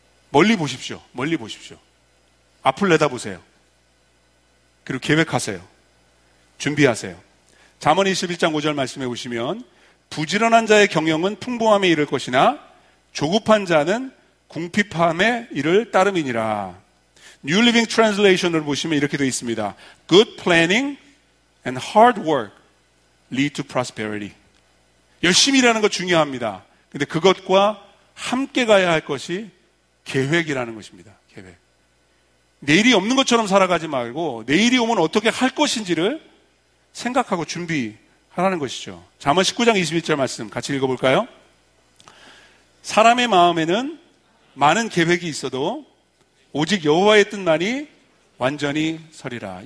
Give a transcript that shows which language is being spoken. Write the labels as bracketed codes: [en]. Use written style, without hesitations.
[ko] 멀리 보십시오. 멀리 보십시오. 앞을 내다보세요. 그리고 계획하세요. 준비하세요. 잠언 21장 5절 말씀해 보시면 부지런한 자의 경영은 풍부함에 이를 것이나 조급한 자는 궁핍함에 이를 따름이니라. New Living Translation을 보시면 이렇게 되어 있습니다. [en] Good planning and hard work lead to prosperity. [ko] 열심히 일하는 것 중요합니다. 근데 그것과 함께 가야 할 것이 계획이라는 것입니다. 계획. 내일이 없는 것처럼 살아가지 말고 내일이 오면 어떻게 할 것인지를 생각하고 준비하라는 것이죠. 잠언 19장 21절 말씀 같이 읽어볼까요? 사람의 마음에는 많은 계획이 있어도 오직 여호와의 뜻만이 완전히 서리라.